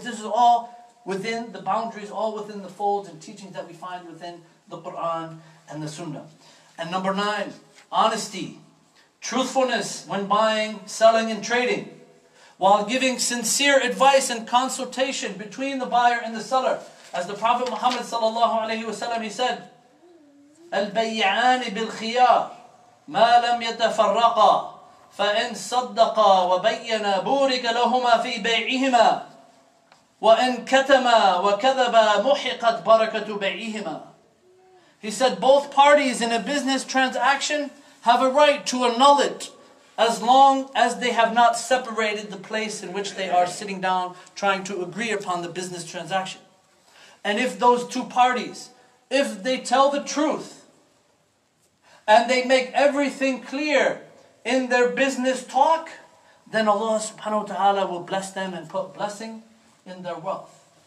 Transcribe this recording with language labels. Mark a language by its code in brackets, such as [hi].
[en] This is all within the boundaries, all within the folds and teachings that we find within the Quran and the Sunnah. And number 9, honesty. Truthfulness when buying, selling, and trading. While giving sincere advice and consultation between the buyer and the seller. As the Prophet Muhammad sallallahu alayhi wa sallam, he said, [ar] الْبَيْعَانِ بِالْخِيَارِ مَا لَمْ يَتَفَرَّقَا فَإِنْ صَدَّقَا وَبَيَّنَا بُورِكَ لَهُمَا فِي بَيْعِهِمَا وَإِنْ كَتَمَا وَكَذَبَا مُحِقَتْ بَرَكَةُ بَيْعِهِمَا. [en] He said, both parties in a business transaction have a right to annul it as long as they have not separated the place in which they are sitting down trying to agree upon the business transaction. And if those two parties, if they tell the truth and they make everything clear in their business talk, then Allah subhanahu wa ta'ala will bless them and put blessing in their wealth.